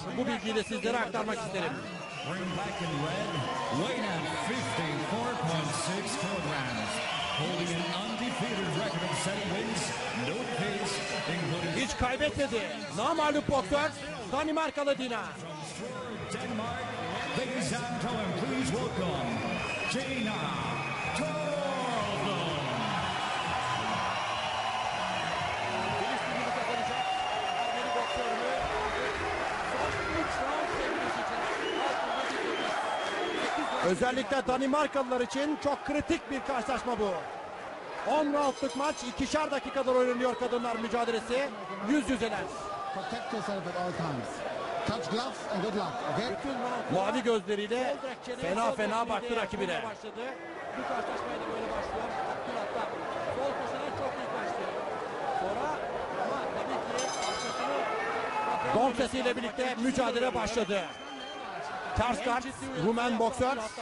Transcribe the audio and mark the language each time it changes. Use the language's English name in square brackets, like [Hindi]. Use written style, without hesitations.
[Turkish] Bu bilgiyi de sizlere aktarmak isterim. [English] Bring back in red, weighing at 54.6 kilograms, holding an undefeated record of 7 wins, no defeats, including... [Turkish] Hiç kaybetmedi. Namalup boksör, Danimarkalı Dina. [English] Ladies and gentlemen, please welcome Dina Torbjørnsson. [Turkish] Özellikle Danimarkalılar için çok kritik bir karşılaşma bu. 10 round'lık maç, ikişer dakikadır oynanıyor kadınlar mücadelesi. Yüz yüzeler. [English] Protect yourself at all times. Touch gloves and good luck. Okay? [Turkish] Mavi gözleriyle fena fena baktı rakibine. Bu karşılaşmaya da böyle başlıyor. Don sesi ile birlikte mücadele başladı. Ters kart, Rumen boksör.